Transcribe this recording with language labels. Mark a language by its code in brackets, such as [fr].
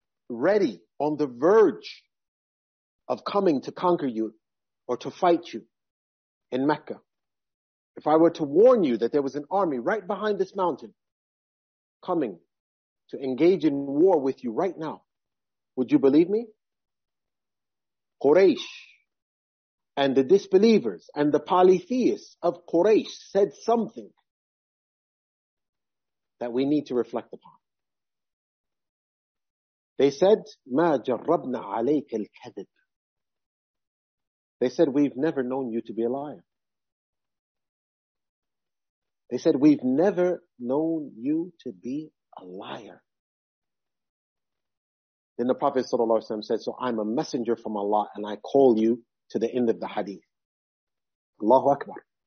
[en] ready, on the verge of coming to conquer you or to fight you in Mecca, if I were to warn you that there was an army right behind this mountain coming to engage in war with you right now, would you believe me? Quraysh and the disbelievers and the polytheists of Quraysh said something that we need to reflect upon. They said, [ar] مَا جَرَّبْنَا عَلَيْكَ الْكَذِبِ. [en] They said, we've never known you to be a liar. They said, we've never known you to be a liar. Then the Prophet ﷺ said, so I'm a messenger from Allah and I call you to the end of the hadith. Allahu Akbar.